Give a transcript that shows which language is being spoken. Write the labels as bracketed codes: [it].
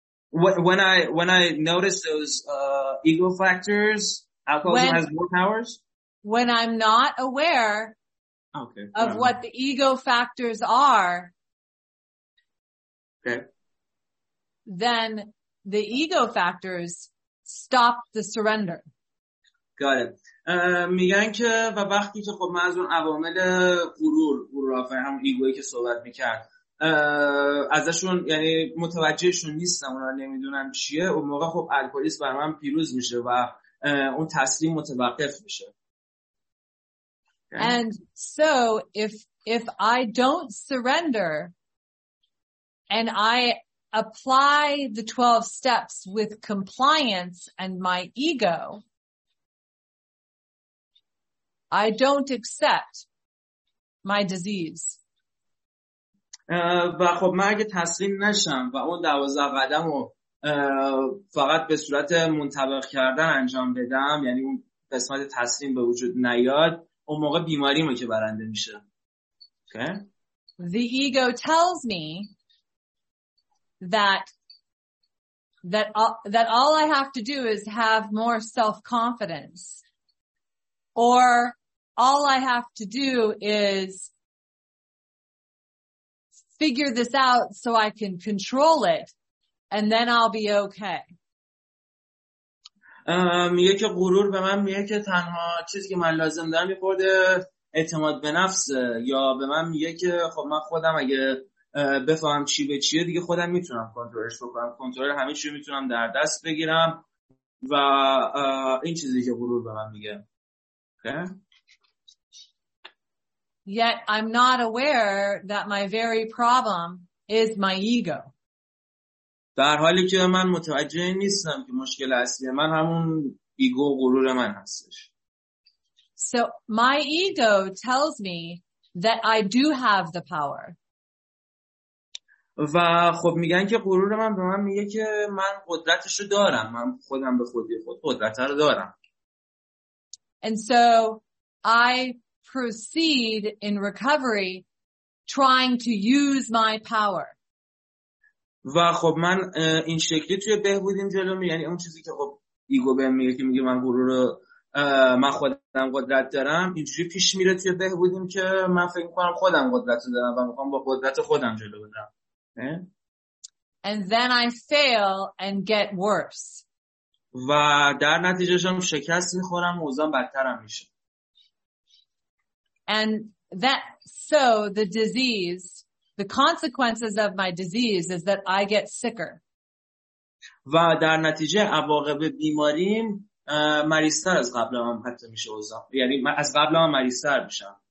[en] When I notice those ego factors, alcoholism has more powers? When I'm not aware of what the ego factors are, then the ego factors stop the surrender. Got it. [fa] میگن که و وقتی که خب من از اون عوامل غرور، غرورافه هم ایگوی که صحبت میکرد ازشون، یعنی متوجهشون نیستم، اونا نمیدونم چیه، اون موقع خب الکلیس بر من پیروز میشه و اون تسلیم متوقف میشه. [en] And so if I don't surrender and I apply the 12 steps with compliance and my ego, I don't accept my disease. [fa] و خب من اگه تسلیم نشم و اون 12 قدمو فقط به صورت منطبق کردن انجام بدم، یعنی اون قسمت تسلیم به وجود نیاد، اون موقع بیماریمو که برنده میشه. [en] Okay? The ego tells me that all I have to do is have more self-confidence, or all I have to do is figure this out so I can control it, and then I'll be okay. [fa] میگه که غرور به من میگه که تنها چیزی که من لازم دارم یه خورده اعتماد به نفس، یا به من میگه که خب من خودم اگه بفهم چی به چیه دیگه خودم میتونم کنترلش بکنم، کنترل همه چی میتونم در دست بگیرم، و این چیزی که غرور به من میگه. [en] Okay. Yet I'm not aware that my very problem is my ego. [fa] در حالی که من متوجه نیستم که مشکل اصلی من همون ایگو و غرور من هستش. [en] So my ego tells me that I do have the power. [fa] و خب میگن که غرور من به من میگه که من قدرتشو دارم، من خودم به خودی خود قدرت رو دارم. [en] And so I proceed in recovery trying to use my power. [fa] و خب من این شکلی توی بهبودیم جلو می، یعنی اون چیزی که خب ایگو بهم میگه که میگه من غرور رو من خودم قدرت دارم، اینجوری پیش میره توی بهبودیم که من فکر میکنم خودم قدرت دارم و میخوام با قدرت خودم جلو بدم. [en] And then I fail and get worse. [fa] و در نتیجهشم شکست میخورم و اوضاعم بدترم میشه. [en] And that, so the disease, the consequences of my disease is that I get sicker. [fa] و در نتیجه عواقب بیماریم مریض‌تر از قبل هم حتی میشه اوضاعم. یعنی من از قبل هم مریض‌تر میشم.